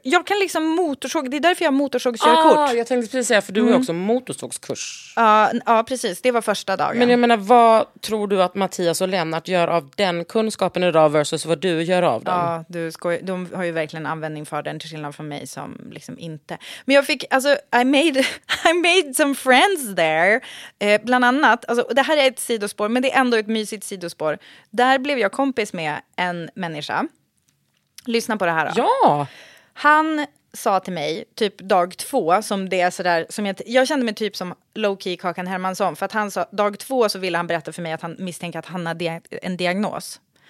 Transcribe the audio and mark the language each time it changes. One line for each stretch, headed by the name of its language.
Swedish: Jag kan liksom motorsåg, det är därför jag har motorsågskörkort. Ja, jag tänkte precis säga, för du har också motorsågskurs. Ja, precis, det var första dagen. Men jag menar, vad tror du att Mattias och Lennart gör av den kunskapen idag versus vad du gör av den? Ja, du skojar, de har ju verkligen användning för den, till skillnad från mig som liksom inte. Men jag fick, alltså,
English: I made some friends there.
Swedish: Bland annat, alltså, det här är ett sidospår, men det är ändå ett mysigt sidospår. Där blev jag kompis med en människa. Lyssna på det här då. Ja. Han sa till mig typ dag två, som det är så där, som jag kände mig typ som low key Kakan Hermansson, för att han sa dag två så ville han berätta för mig att han misstänker att han har en diagnos.